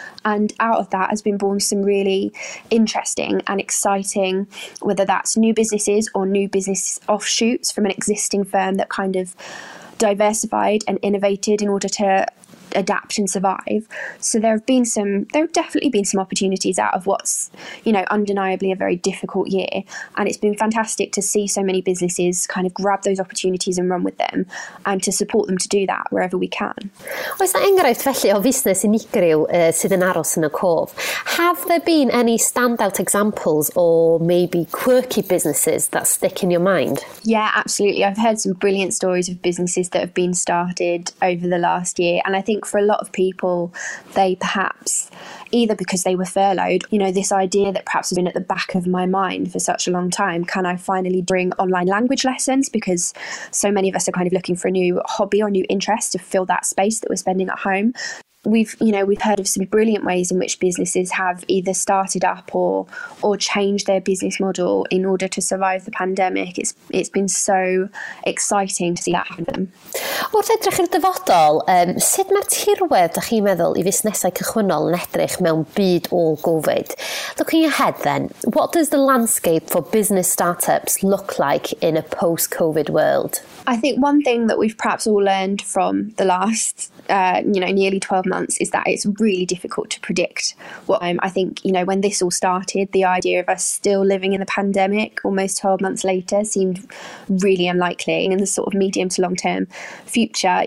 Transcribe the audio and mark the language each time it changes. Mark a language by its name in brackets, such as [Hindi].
[English] And out of that has been born some really interesting and exciting, whether that's new businesses or new business offshoots from an existing firm that kind of diversified and innovated in order to adapt and survive. So there have definitely been some opportunities out of what's, you know, undeniably a very difficult year. And it's been fantastic to see so many businesses kind of grab those opportunities and run with them, and to support them to do that wherever we can. [Welsh] Oes na enghraifft felly o fusnes unigryw sydd yn aros yn y cof? [English] Have there been any standout examples or maybe quirky businesses that stick in your mind? Yeah, absolutely. I've heard some brilliant stories of businesses that have been started over the last year. And I think for a lot of people, they perhaps, either because they were furloughed, you know, this idea that perhaps has been at the back of my mind for such a long time, can I finally bring online language lessons? Because so many of us are kind of looking for a new hobby or new interest to fill that space that we're spending at home. We've heard of some brilliant ways in which businesses have either started up or changed their business model in order to survive the pandemic. It's been so exciting to see that happen. [Welsh] Wrth edrych i'r dyfodol, sut mae'r tirwedd dych chi'n meddwl I fusnesau cychwynnol yn edrych mewn byd ôl-GOFID? [English] Looking ahead then, what does the landscape for business startups look like in a post-COVID world? I think one thing that we've perhaps all learned from the last, nearly 12 months is that it's really difficult to predict what I think, you know, when this all started, the idea of us still living in the pandemic almost 12 months later seemed really unlikely in the sort of medium to long term future.